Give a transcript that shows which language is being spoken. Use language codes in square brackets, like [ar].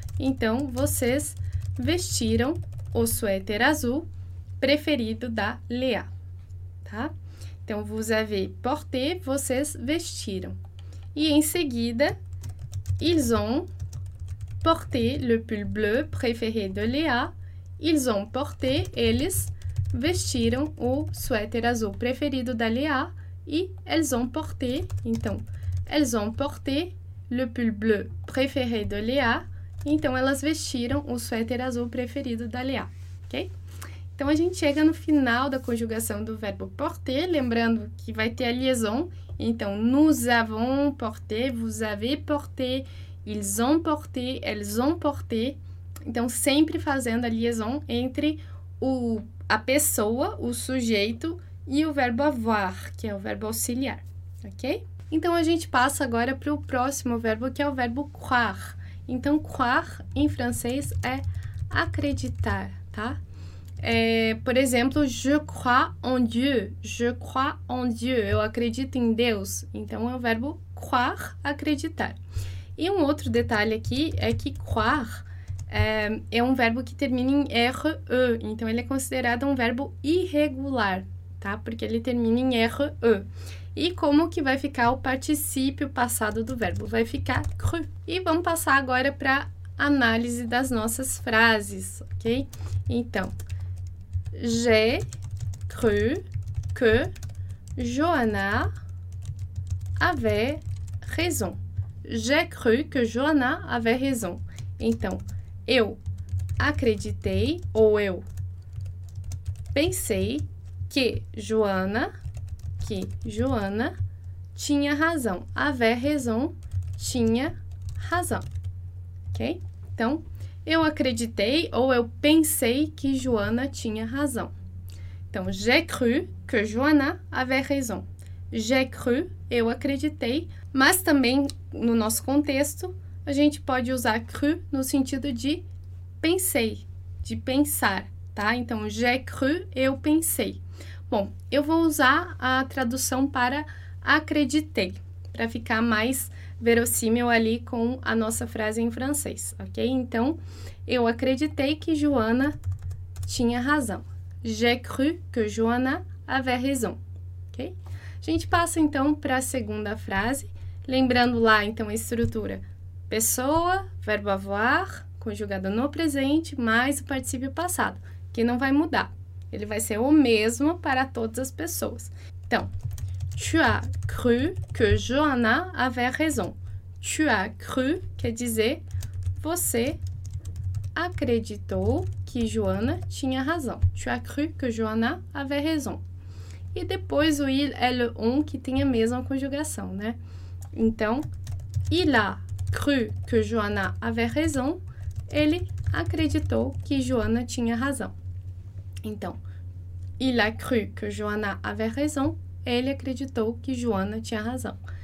[pt] Então, vocês vestiram o suéter azul preferido da Léa, tá? Então, [fr] vous avez porté, [pt] vocês vestiram. E em seguida, [fr] ils ont porté le pull bleu préféré de Léa. Ils ont porté, [pt] eles vestiram o suéter azul preferido da Léa e [fr] elles ont porté, [pt] então, [fr] elles ont porté le pull bleu préféré de Léa, [pt] então elas vestiram o suéter azul preferido da Léa, ok? Então a gente chega no final da conjugação do verbo porter, lembrando que vai ter a liaison Então, [fr] nous avons porté, vous avez porté, ils ont porté, elles ont porté. [pt] Então, sempre fazendo a liaison entre a pessoa, o sujeito, e o verbo avoir, que é o verbo auxiliar, ok? Então, a gente passa agora para o próximo verbo, que é o verbo croire. Então, croire, em francês, é acreditar, tá? Por exemplo, [fr] je crois en Dieu. Je crois en Dieu. [pt] Eu acredito em Deus. Então, é o verbo croire, acreditar. E um outro detalhe aqui é que croire é um verbo que termina em RE. Então, ele é considerado um verbo irregular, tá? Porque ele termina em RE. E como que vai ficar o particípio passado do verbo? Vai ficar cru. E vamos passar agora para análise das nossas frases, ok? Então, [fr] j'ai cru que Johanna avait raison. J'ai cru que Johanna avait raison. [pt] Então, eu acreditei ou eu pensei que Joana tinha razão. [fr] Avait raison, [pt] tinha razão. Ok? Então, eu acreditei ou eu pensei que Joana tinha razão. Então, [fr] j'ai cru que Joana avait raison. J'ai cru, [pt] eu acreditei. Mas também, no nosso contexto, a gente pode usar cru no sentido de pensei, de pensar, tá? Então, [fr] j'ai cru, [pt] eu pensei. Bom, eu vou usar a tradução para acreditei, para ficar mais verossímil ali com a nossa frase em francês, ok? Então, eu acreditei que Joana tinha razão. [fr] J'ai cru que Joana avait raison, [pt] ok? A gente passa então para a segunda frase, lembrando lá então a estrutura: pessoa, verbo avoir, conjugado no presente, mais o particípio passado, que não vai mudar. Ele vai ser o mesmo para todas as pessoas. Então, [fr] tu as cru que Joanna avait raison. Tu as cru [pt] quer dizer você acreditou que Joanna tinha razão. [fr] Tu as cru que Joanna avait raison. [pt] E depois o il, elle, on que tem a mesma conjugação, né? Então, [fr] il a cru que Joanna avait raison. [pt] Ele acreditou que Joanna tinha razão. Então, [fr] il a cru que Joanna avait raison, [pt] ele acreditou que Joanna tinha razão.